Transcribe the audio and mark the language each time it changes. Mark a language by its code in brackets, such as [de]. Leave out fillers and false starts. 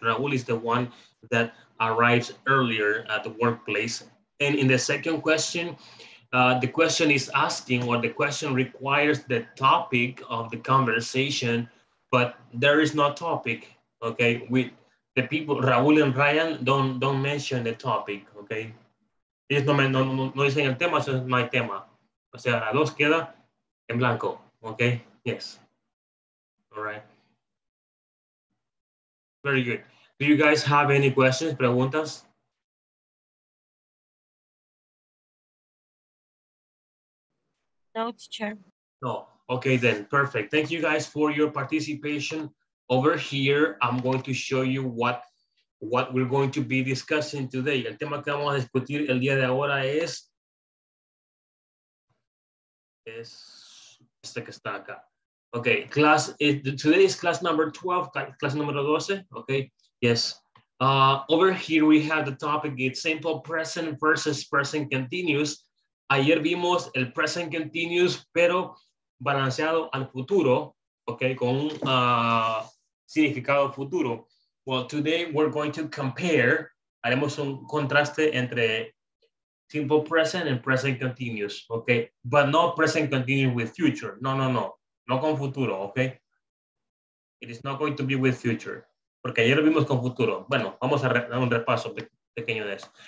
[en] Raul is the one that arrives earlier at the workplace. And in the second question, the question is asking, or the question requires the topic of the conversation, but there is no topic, okay? With the people, Raul and Ryan, don't mention the topic, okay? [es] Ellos no dicen el tema, no hay tema. O sea, a dos queda en blanco, okay? [en] Yes. All right. Very good. Do you guys have any questions, preguntas? No, teacher. No. Okay, then. Perfect. Thank you guys for your participation. Over here, I'm going to show you what we're going to be discussing today. [es] El tema que vamos a discutir el día de ahora es este que está acá. [en] Okay, today is class number 12, class número 12. Okay, yes. Over here, we have the topic, it's simple present versus present continuous. [es] Ayer vimos el present continuous, pero balanceado al futuro, okay, con significado futuro. [en] Well, today we're going to compare, [es] haremos un contraste entre [en] simple present and present continuous, okay? But not present continuous with future. No. [es] No con futuro, okay? [en] It is not going to be with future. [es] Porque ayer vimos con futuro. Bueno, vamos a dar un repaso pequeño de eso.